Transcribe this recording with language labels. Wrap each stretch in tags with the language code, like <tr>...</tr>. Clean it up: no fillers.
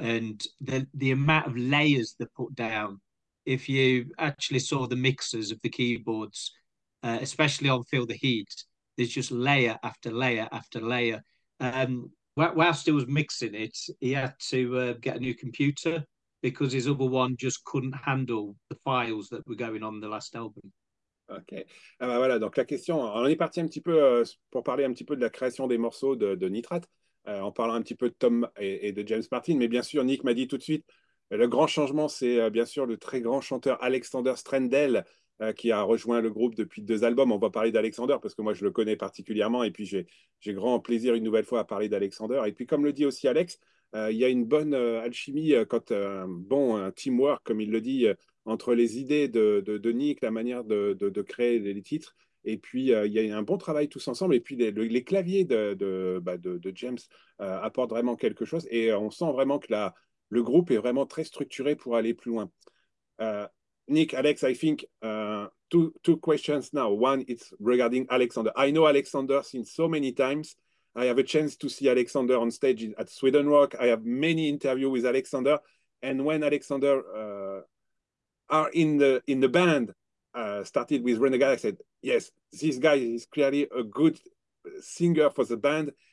<en>And the amount of layers they put down, if you actually saw the mixes of the keyboards, especially on Feel the Heat, there's just layer after layer after layer. Whilst he was mixing it, he had to get a new computer because his other one just couldn't handle the files that were going on the last album. Ok.</en> <fr>Ah bah voilà, donc la question, on est parti un petit peu pour parler un petit peu de la création des morceaux de Nitrate, en parlant un petit peu de Tom et de James Martin. Mais bien sûr, Nick m'a dit tout de suite, le grand changement, c'est bien sûr le très grand chanteur Alexander Strandell, qui a rejoint le groupe depuis deux albums. On va parler d'Alexander parce que moi, je le connais particulièrement. Et puis, j'ai grand plaisir une nouvelle fois à parler d'Alexander. Et puis, comme le dit aussi Alex, il y a une bonne alchimie, un teamwork, comme il le dit, entre les idées de Nick, la manière de créer les titres. Et puis, il y a un bon travail tous ensemble. Et puis, les claviers de James apportent vraiment quelque chose. Et on sent vraiment que le groupe est vraiment très structuré pour aller plus loin.</fr> <en>Nick, Alex, I think two questions now. One, it's regarding Alexander. I know Alexander since so many times, I have a chance to see Alexander on stage at Sweden Rock. I have many interviews with Alexander. And when Alexander are in the band, started with Renegade, I said, yes, this guy is clearly a good singer for the band.</en>